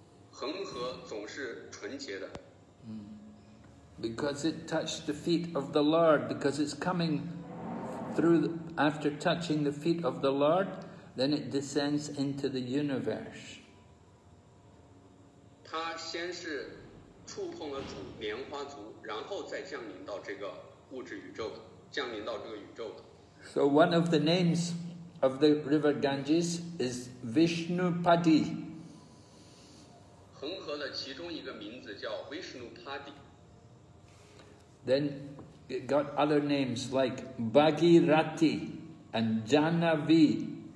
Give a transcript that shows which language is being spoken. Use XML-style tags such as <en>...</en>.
<zh>恒河总是纯洁的。</zh> <en>Because it touched the feet of the Lord, because it's coming through, after touching the feet of the Lord, then it descends into the universe.</en> <zh>它先是触碰了主莲花足，然后再降临到这个物质宇宙，降临到这个宇宙。</zh> <en>So one of the names of the river Ganges is Vishnupadi.</en> <zh>恒河的其中一个名字叫 Vishnupadi.</zh> <en>Then it got other names like Bhagirathi and Janavi.</en>